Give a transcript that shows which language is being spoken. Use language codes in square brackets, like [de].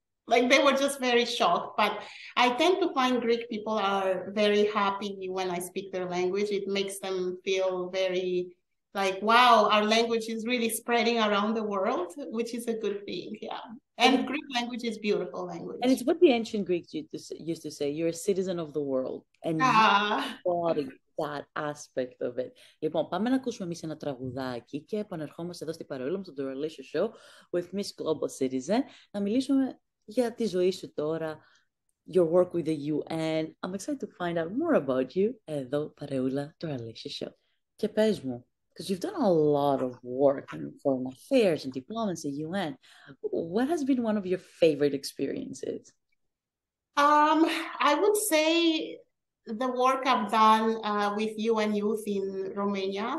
[en] Like they were just very shocked. But I tend to find Greek people are very happy when I speak their language. It makes them feel very like, wow, our language is really spreading around the world, which is a good thing. Yeah. And Greek language is beautiful language. And it's what the ancient Greeks used to say, you're a citizen of the world. And body. That aspect of it. [el] Λοιπόν, πάμε να ακούσουμε εμείς ένα τραγουδάκι και επανερχόμαστε εδώ στην παρεούλα μας, στο Doralicious Show with Miss Global Citizen, να μιλήσουμε για τη ζωή σου τώρα, [en] your work with the UN. I'm excited to find out more about you [el] εδώ, παρεούλα, [en] Doralicious Show. [el] Και πες μου, [en] because you've done a lot of work in foreign affairs and diplomacy, UN. What has been one of your favorite experiences? I would say the work I've done with UN Youth in Romania.